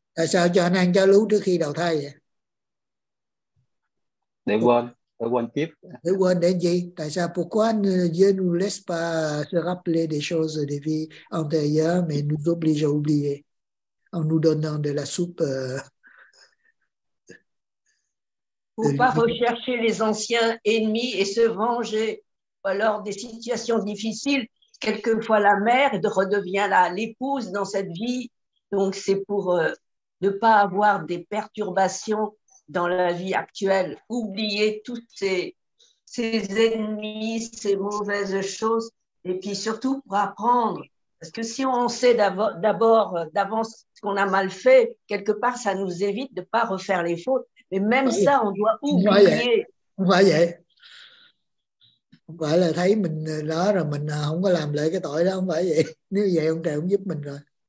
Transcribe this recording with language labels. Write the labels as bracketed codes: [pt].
[vi] Tại sao cho anh ăn châu lú trước khi đầu thai vậy? Để quên. Để quên đến gì? Tại sao? [fr] Pourquoi ne Dieu nous laisse pas se rappeler des choses des vies antérieures, mais nous oblige à oublier en nous donnant de la soupe? Pour pas rechercher les anciens ennemis et se venger alors des situations difficiles, quelquefois la mère redevient l'épouse dans cette vie. Donc c'est pour ne pas avoir des perturbations dans la vie actuelle, oublier tous ces ennemis, ces mauvaises choses, et puis surtout pour apprendre. Parce que si on sait d'abord, d'avance ce qu'on a mal fait, quelque part, ça nous évite de ne pas refaire les fautes. Mais même ça, on doit oublier. Vous voyez. [vi] Không phải là thấy mình đó rồi mình không có làm lại cái tội đó, không phải vậy. Nếu vậy, ông trời cũng giúp mình rồi.